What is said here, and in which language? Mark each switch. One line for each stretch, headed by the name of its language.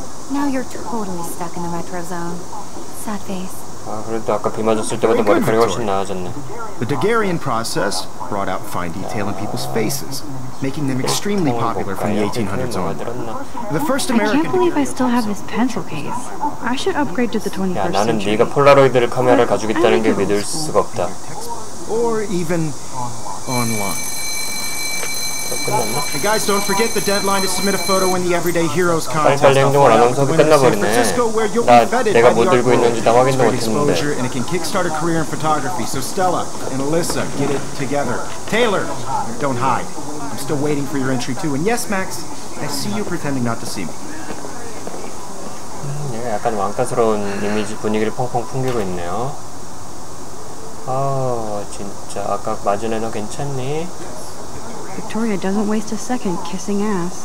English: Now you're totally stuck in the retro zone. Sad face.
Korean: 아, 그래도 아까 비 맞았을 때보다 머리카락이 훨씬 나아졌네.
English: The Daguerrean process brought out fine detail in people's faces, making them extremely popular from the 1800s on. The first American. I can't believe I still have this pencil case. I should upgrade to the 21st century.
Korean: 야, 나는 네가 폴라로이드를 카메라를 가지고 있다는 게 믿을 수가 없다.
English: Or even online. Hey guys, don't forget the deadline to submit a photo in the Everyday Heroes contest.
Korean: 빨리 행동을 안 하면서 끝나버리네. 나 내가 뭐 들고 있는지 다 확인도 못했는데.
English: And it can kickstart a career in photography. So Stella and Alyssa, get it together. Taylor, don't hide. I'm still waiting for your entry too. And yes, Max, I see you pretending not to see me.
Korean: 얘가 약간 왕따스러운 이미지 분위기를 펑펑 풍기고 있네요. 아, 진짜 아까 맞은 애너 괜찮니?
English: Victoria doesn't waste a second kissing ass.